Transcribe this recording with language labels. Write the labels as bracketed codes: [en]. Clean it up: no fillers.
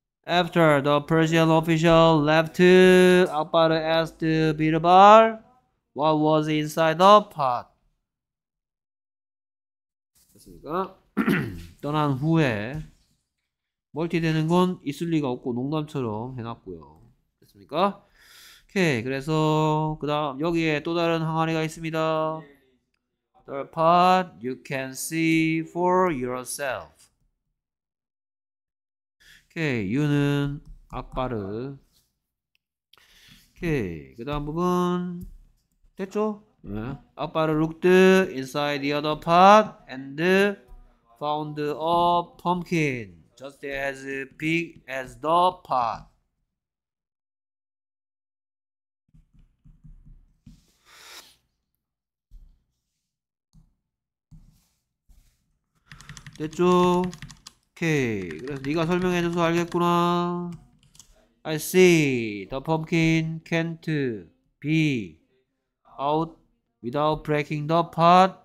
[en] After the Persian official left, Akbar asked Birbal what was inside the pot? [ko] 됐습니까? 떠난 후에 멀티 되는 건 있을 리가 없고 농담처럼 해놨고요. 됐습니까? 오케이. 그래서 그 다음 여기에 또 다른 항아리가 있습니다. [en] The pot you can see for yourself. [ko] 오케이. 유는 악바르. 오케이. 그 다음 부분 됐죠? 네. [en] Akbar looked inside the other pot and found a pumpkin just as big as the pot. [ko] 됐죠? 오케이. 그래서 네가 설명해줘서 알겠구나. [en] I see. The pumpkin can't be out without breaking the pot.